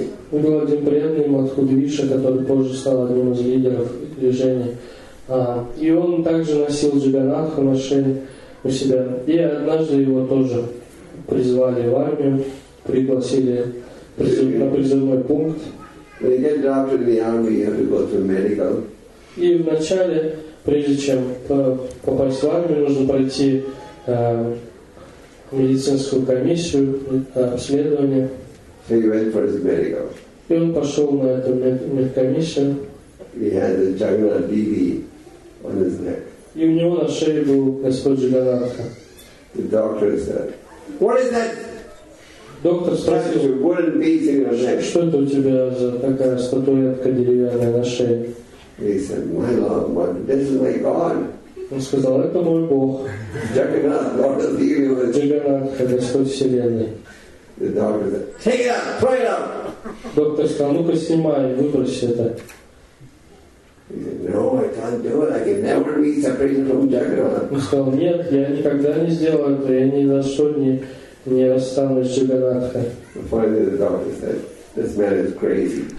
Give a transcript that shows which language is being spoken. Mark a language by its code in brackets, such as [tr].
[ru] Был один преданный Мадхудвиша, который позже стал одним из лидеров движения. И он также носил Джаганатху на шее у себя. И однажды его тоже призвали в армию, пригласили на призывной пункт. [en] When you get drafted in the army, you have to go through medical. [ru] И вначале, прежде чем попасть в армию, нужно пройти медицинскую комиссию, обследование. [en] So he went for his medical. [ru] И он пошел на эту медкомиссию. [en] He had a Jagannath Devi on his neck. [ru] И у него на шее был Господь Джаганатха. [en] The doctor said, "What is that?" [ru] Доктор спросил, что это у тебя за такая статуэтка деревянная на шее? [en] He said, "My Lord, my, this is my God." [ru] Он сказал, это мой Бог. [en] Jagannath, Lord of the universe. [ru] Jagannath, Господь Вселенной. [en] The doctor said, "Take it out, throw it out." [ru] Доктор сказал, ну-ка снимай, выброси это. [en] He said, "No, I can't do it. I can never be separated from Jagannath." [ru] Он сказал, нет, я никогда не сделаю это, я ни за что не расстанусь с Jagannathом. [en] Finally, the doctor said, "This man is crazy.